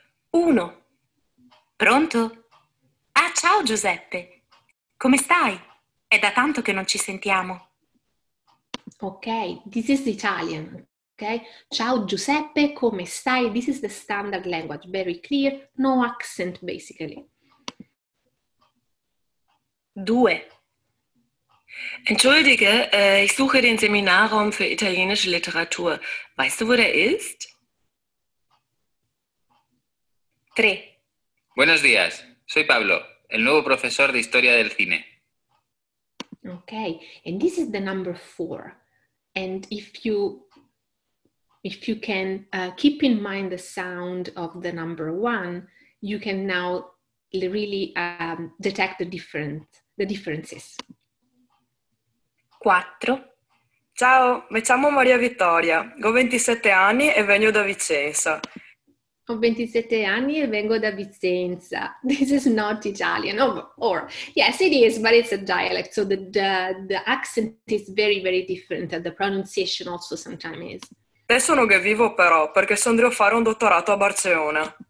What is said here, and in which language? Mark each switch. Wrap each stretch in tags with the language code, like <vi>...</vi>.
<it>Uno. Pronto? Ah, ciao Giuseppe. Come stai? È da tanto che non ci sentiamo.</it> <en>Okay, this is Italian.</en> <it>Okay, ciao Giuseppe, come stai?</it> <en>This is the standard language, very clear, no accent basically.</en> <it>Due.</it> <de>Entschuldige, ich suche den Seminarraum für italienische Literatur. Weißt du, wo der ist?</de> <it>Tre.</it> <es>Buenos días, soy Pablo, el nuevo profesor de historia del cine.</es> <en>Okay, and this is the number four. And if you can keep in mind the sound of the number one, you can now really detect the differences.</en> <it>Quattro. Ciao, mi chiamo Maria Vittoria, ho 27 anni e vengo da Vicenza. Ho 27 anni e vengo da Vicenza.</it> <en>This is not Italian, or yes, it is, but it's a dialect. So the accent is very, very different, and the pronunciation also sometimes is.</en> <it>Adesso non che vivo però, perché sono andato a fare un dottorato a Barcellona.</it>